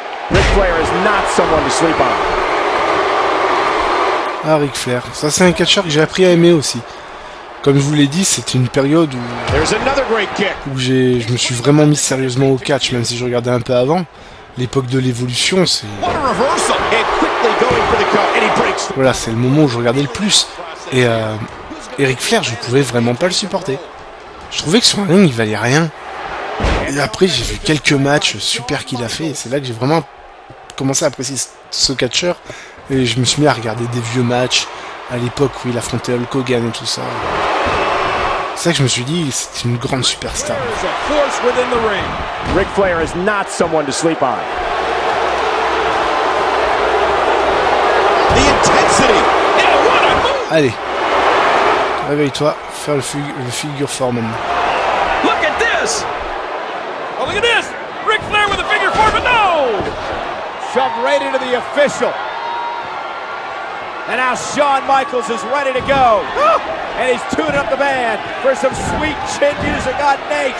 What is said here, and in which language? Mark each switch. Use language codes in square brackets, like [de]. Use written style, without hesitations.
[en] Ric Flair is not someone to sleep on. [fr] Ah, Ric Flair, ça c'est un catcheur que j'ai appris à aimer aussi. Comme je vous l'ai dit, c'était une période où. [en] There's another great kick. [fr] Où je me suis vraiment mis sérieusement au catch, même si je regardais un peu avant. L'époque de l'évolution, c'est. [en] What a reversal! And quickly going for the cut, and he breaks. [fr] Voilà, c'est le moment où je regardais le plus. Et Ric Flair, je ne pouvais vraiment pas le supporter. Je trouvais que sur un ring, il valait rien. Et après, j'ai vu quelques matchs super qu'il a fait. Et c'est là que j'ai vraiment commencé à apprécier ce catcheur. Et je me suis mis à regarder des vieux matchs à l'époque où il affrontait Hulk Hogan et tout ça. C'est ça que je me suis dit, c'est une grande superstar. [en] Ric Flair is not someone to sleep on. The intensity. [fr] Allez, réveille-toi, fais le figure four maintenant. [en] Look at this! Oh, look at this! Ric Flair with a figure four, but shove right into the official. And now Shawn Michaels is ready to go. And he's tuning up the band for some sweet chin music on Nate.